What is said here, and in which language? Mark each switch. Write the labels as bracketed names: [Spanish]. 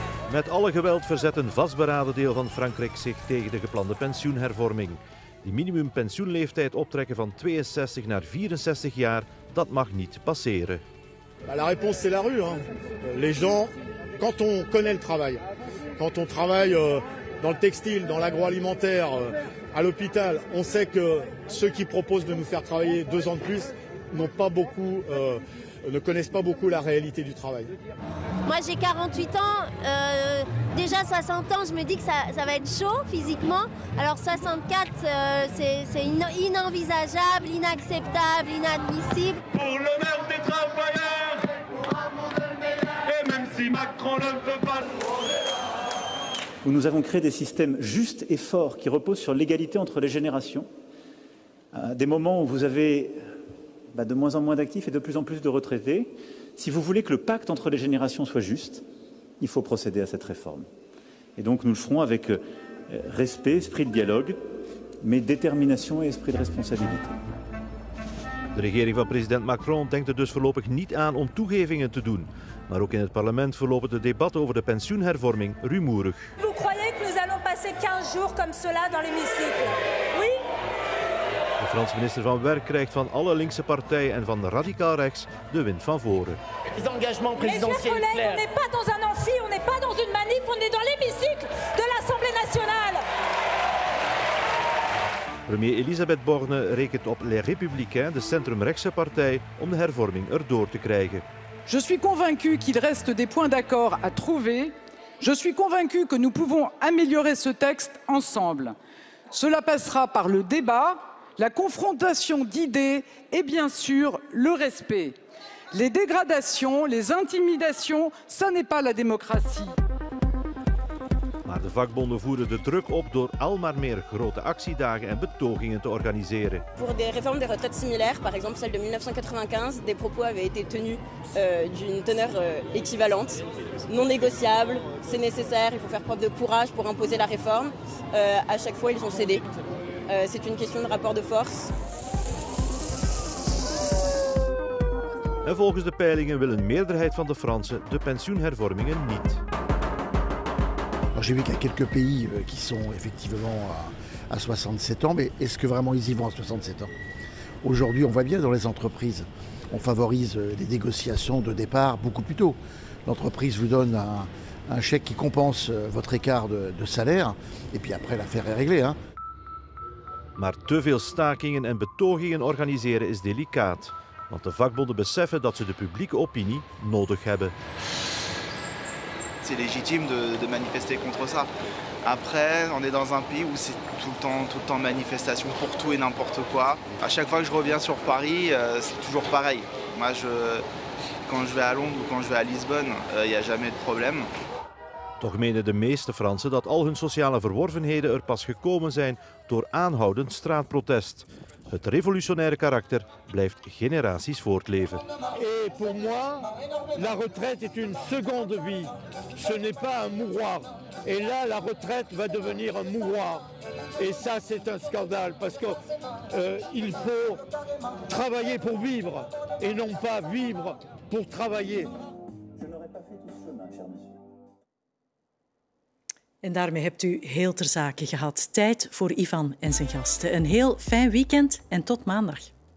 [Dutch] Met alle geweld verzet een vastberaden deel van Frankrijk zich tegen de geplande pensioenhervorming. Die minimumpensioenleeftijd optrekken van 62 naar 64 jaar, dat mag niet passeren. [French] La réponse c'est la rue, hein. Les gens, quand on connaît le travail, quand on travaille dans le textile, dans l'agroalimentaire, à l'hôpital, on sait que ceux qui proposent de nous faire travailler 2 ans de plus n'ont pas beaucoup. Ne connaissent pas beaucoup la réalité du travail. Moi j'ai 48 ans, déjà 60 ans, je me dis que ça va être chaud physiquement. Alors 64, c'est inenvisageable, inacceptable, inadmissible. Pour l'honneur des travailleurs, et même si Macron ne veut pas. Où nous avons créé des systèmes justes et forts qui reposent sur l'égalité entre les générations. Des moments où vous avez de moins en moins d'actifs et de plus en plus de retraités. Si vous voulez que le pacte entre les générations soit juste, il faut procéder à cette réforme. Et donc nous le ferons avec respect, esprit de dialogue, mais détermination et esprit de responsabilité. [Dutch] De regering van president Macron denkt er dus voorlopig niet aan om toegevingen te doen. Maar ook in het parlement verlopen de debatten over de pensioenhervorming rumoerig. [French] Vous croyez que nous allons passer 15 jours comme cela dans l'hémicycle? Oui. [Dutch] De Franse minister van Werk krijgt van alle linkse partijen en van radicaal rechts de wind van voren. [French] Les engagements présidentiels. Mes chers collègues, on n'est pas dans un amphi, on n'est pas dans une manif, on est dans l'hémicycle de l'Assemblée nationale. [Dutch] Premier Elisabeth Borne rekent op Les Républicains, de centrumrechtse partij, om de hervorming erdoor te krijgen. [French] Je suis convaincu qu'il reste des points d'accord à trouver. Je suis convaincu que nous pouvons améliorer ce texte ensemble. Cela passera par le débat. La confrontation d'idées et bien sûr le respect. Les dégradations, les intimidations, ça n'est pas la démocratie. [Dutch] Maar de vakbonden voeren de druk op door al maar meer grote actiedagen en betogingen te organiseren. [French] Pour des réformes des retraites similaires, par exemple celle de 1995, des propos avaient été tenus d'une teneur équivalente, non négociable, c'est nécessaire, il faut faire preuve de courage pour imposer la réforme. À chaque fois, ils ont cédé. C'est une question de rapport de force. [Dutch] En volgens de peilingen wil een meerderheid van de Fransen de pensioenhervormingen niet. [French] Alors, j'ai vu qu'il y a quelques pays qui sont effectivement à 67 ans, mais est-ce que vraiment ils y vont à 67 ans? Aujourd'hui, on voit bien dans les entreprises, on favorise les négociations de départ beaucoup plus tôt. L'entreprise vous donne un chèque qui compense votre écart de salaire, et puis après, l'affaire est réglée, hein. [Dutch] Maar te veel stakingen en betogingen organiseren is delicaat. Want de vakbonden beseffen dat ze de publieke opinie nodig hebben. [French] C'est légitime de manifester contre ça. Après, on est dans un pays où c'est tout le temps manifestation pour tout et n'importe quoi. À chaque fois que je reviens sur Paris, c'est toujours pareil. Moi, quand je vais à Londres ou quand je vais à Lisbonne, il n'y a jamais de problème. [Dutch] Toch menen de meeste Fransen dat al hun sociale verworvenheden er pas gekomen zijn door aanhoudend straatprotest. Het revolutionaire karakter blijft generaties voortleven. [French] Et pour moi, la retraite est une seconde vie. Ce n'est pas un mouroir. Et là, la retraite va devenir un mouroir. Et ça, c'est un scandale. Parce que il faut travailler pour vivre. Et non pas vivre pour travailler. [Dutch] En daarmee hebt u heel ter zake gehad. Tijd voor Ivan en zijn gasten. Een heel fijn weekend en tot maandag.